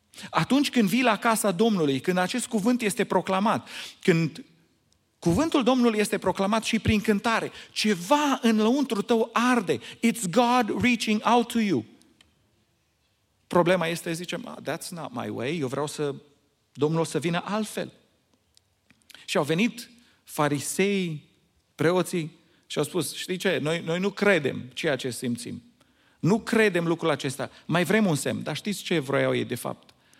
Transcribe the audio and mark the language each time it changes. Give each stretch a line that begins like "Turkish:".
Romanian: Atunci când vii la casa Domnului, când acest cuvânt este proclamat, când cuvântul Domnului este proclamat și prin cântare, ceva în lăuntru tău arde.
English: It's God reaching out to you.
Romanian: Problema este, zicem,
English: that's not my way,
Romanian: eu vreau să Domnul să vină altfel. Și au venit farisei, preoții și au spus, știi ce, noi nu credem ceea ce simțim. Nu credem lucrul acesta. Mai vrem un semn, dar știți ce vroiau ei de fapt?